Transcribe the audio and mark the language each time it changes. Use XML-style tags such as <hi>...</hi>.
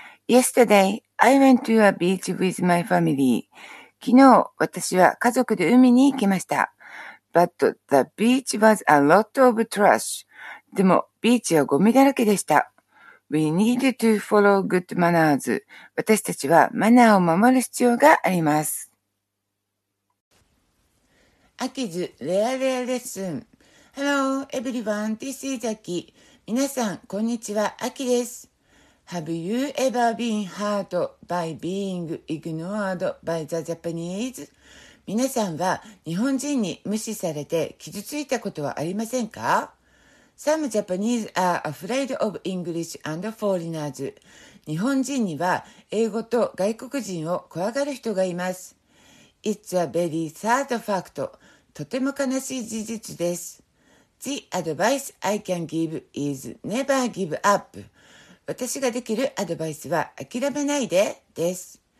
<en>Yesterday,I went to a beach with my family.</en> <ja>昨日、私は家族で海に行きました。</ja> <en>But the beach was a lot of trash.</en> <ja>でも、ビーチはゴミだらけでした。</ja> <en>We need to follow good manners.</en> <ja>私たちはマナーを守る必要があります。アキズ、レアレアレッスン。</ja> <en>Hello, everyone. This is Aki.</en> <ja>皆さん、こんにちは。アキです。</ja> <en>Have you ever been hurt by being ignored by the Japanese?</en> <ja>皆さんは日本人に無視されて傷ついたことはありませんか?</ja> <en>Some Japanese are afraid of English and foreigners.</en> <ja>日本人には英語と外国人を怖がる人がいます。</ja> <en>It's a very sad fact.</en> <ja>とても悲しい事実です。</ja> <en>The advice I can give is never give up.</en> <ja>私ができるアドバイスは諦めないでです。</ja>